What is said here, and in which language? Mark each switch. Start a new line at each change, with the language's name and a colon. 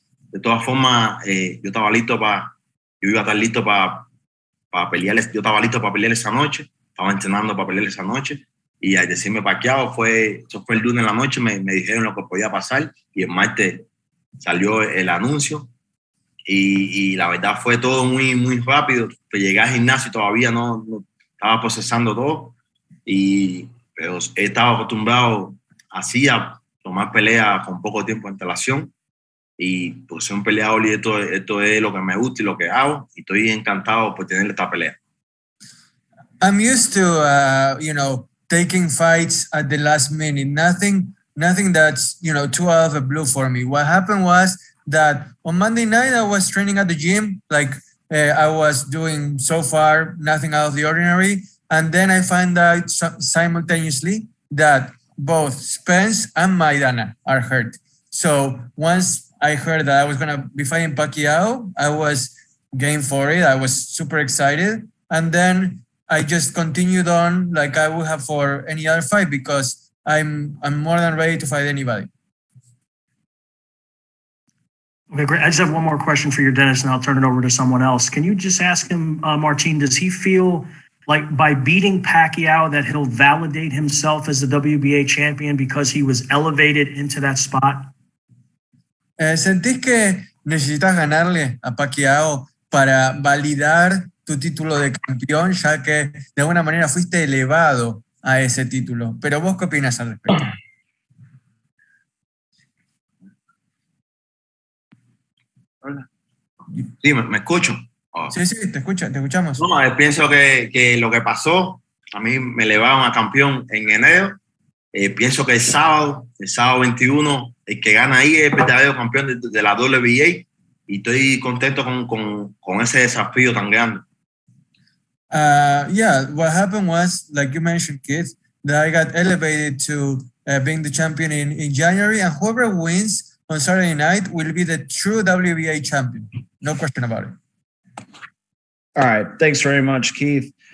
Spanish: De todas formas, yo estaba listo yo iba a estar listo para pelear, yo estaba listo para pelear esa noche, estaba entrenando para pelear esa noche, y al decirme Pacquiao, eso fue el lunes en la noche, me dijeron lo que podía pasar, y el martes salió el anuncio, y la verdad fue todo muy, muy rápido, pues llegué al gimnasio y todavía no estaba procesando todo, pero estaba acostumbrado así a tomar pelea con poco tiempo de antelación. Y pues soy un peleador y esto es lo que me gusta y lo que hago, y estoy encantado por tener esta pelea.
English: I'm used to taking fights at the last minute. Nothing that's too out of the blue for me. What happened was that on Monday night I was training at the gym, like I was doing so far nothing out of the ordinary, and then I find out simultaneously that both Spence and Maidana are hurt. So once I heard that I was going to be fighting Pacquiao, I was game for it. I was super excited. And then I just continued on like I would have for any other fight because I'm more than ready to fight anybody. Okay, great. I just have one more question for you, Dennis, and I'll turn it over to someone else. Can you just ask him, Martin, does he feel like by beating Pacquiao that he'll validate himself as the WBA champion because he was elevated into that spot?
Spanish: ¿Sentís que necesitas ganarle a Pacquiao para validar tu título de campeón, ya que de alguna manera fuiste elevado a ese título? ¿Pero vos qué opinas al respecto? Sí, ¿me escucho? Sí, te escucho, te escuchamos. No, pienso que lo que pasó, a mí me elevaron a campeón en enero. Pienso que el sábado 21, el que gana ahí es el verdadero campeón de la WBA, y estoy contento con ese desafío tan grande.
English: Yeah, what happened was, like you mentioned, Keith, that I got elevated to being the champion in January, and whoever wins on Saturday night will be the true WBA champion. No question about it. All right, thanks very much, Keith.